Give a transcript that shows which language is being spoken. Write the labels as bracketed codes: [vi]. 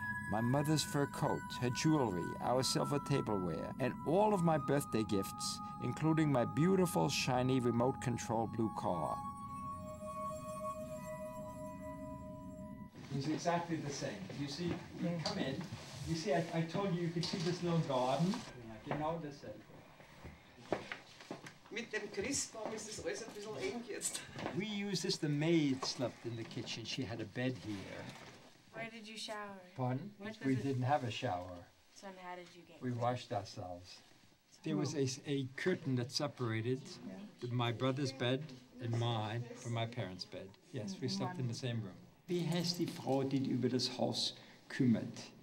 [en] My mother's fur coat, her jewelry, our silver tableware, and all of my birthday gifts, including my beautiful, shiny, remote-controlled blue car. It was exactly the same. You see, you come in. You see, I told you could see this little garden. [de] Genau dasselbe. Mit dem Christbaum ist es alles ein bisschen eng jetzt. [en] We used this, the maid slept in the kitchen. She had a bed here. Where did you shower? Pardon? We didn't have a shower. So how did you get We washed it? Ourselves. There was a curtain that separated my brother's bed and mine from my parents' bed. Yes, we slept in the same room. [de] Wie heißt die Frau, die über das Haus kümmert?